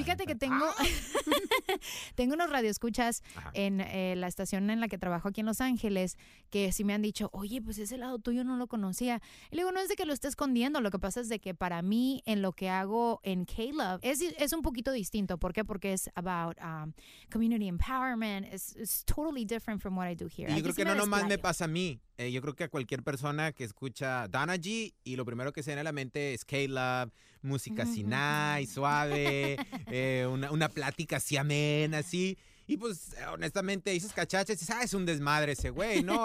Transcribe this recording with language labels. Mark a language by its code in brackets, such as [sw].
[es] Fíjate que tengo tengo unos radioescuchas en la estación en la que trabajo aquí en Los Ángeles, que sí me han dicho, oye, pues ese lado tuyo no lo conocía. Y le digo, no es de que lo esté escondiendo, lo que pasa es de que para mí, en lo que hago en K-Love, es un poquito distinto. ¿Por qué? Porque es [en] about community empowerment. It's totally different from what I do here. [es] Y yo creo que no nomás me pasa a mí. Yo creo que a cualquier persona que escucha Dana G y lo primero que se viene a la mente es K-Love, música así nice, suave, una plática así amena, así. Y pues, honestamente, dices cachaches, dices, ah, es un desmadre ese güey, ¿no?